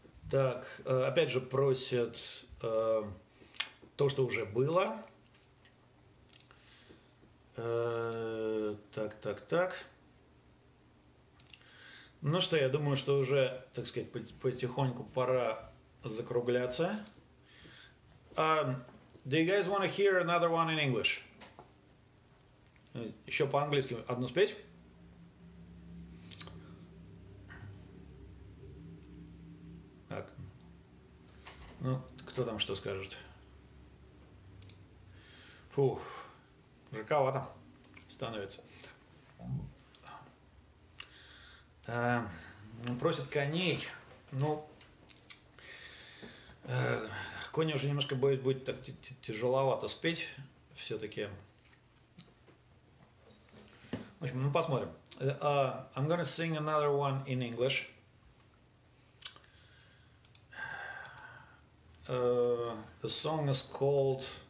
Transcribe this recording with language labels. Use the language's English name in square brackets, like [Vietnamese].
[Russian] Так, опять же, просят то, что уже было. Так. Ну что, я думаю, что уже, так сказать, потихоньку пора закругляться. [English] Do you guys want to hear another one in English? [Russian] Еще по-английски одну спеть? Так. Ну, кто там что скажет? Фух, жарковато становится. Просят коней. Ну, кони уже немножко боюсь, будет так тяжеловато спеть все-таки. В общем, ну посмотрим. [English] I'm gonna sing another one in English. The song is called...